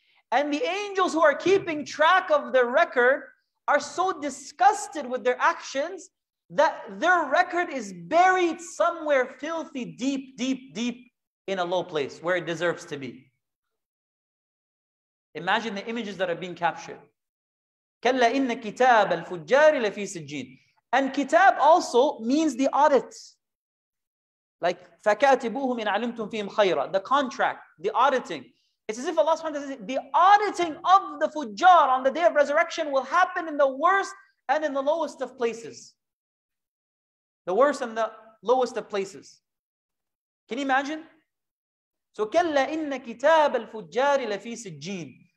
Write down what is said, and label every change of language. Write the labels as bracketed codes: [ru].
[en] And the angels who are keeping track of their record are so disgusted with their actions that their record is buried somewhere filthy, deep, deep, deep in a low place where it deserves to be. Imagine the images that are being captured. [ar] كَلَّا إِنَّ كِتَابَ الْفُجَّارِ لَفِي سِجِّينَ. [en] And kitab also means the audit. [ar] Like, فَكَاتِبُوهُمْ إِنْ عَلِمْتُمْ فِيهِمْ خَيْرًا. [en] The contract, the auditing. It's as if Allah subhanahu wa ta'ala says, the auditing of the fujjar on the day of resurrection will happen in the worst and in the lowest of places. The worst and the lowest of places. Can you imagine? So, [ar] كَلَّا إِنَّ كِتَابَ الْفُجَّارِ لَفِي سِجِّينَ.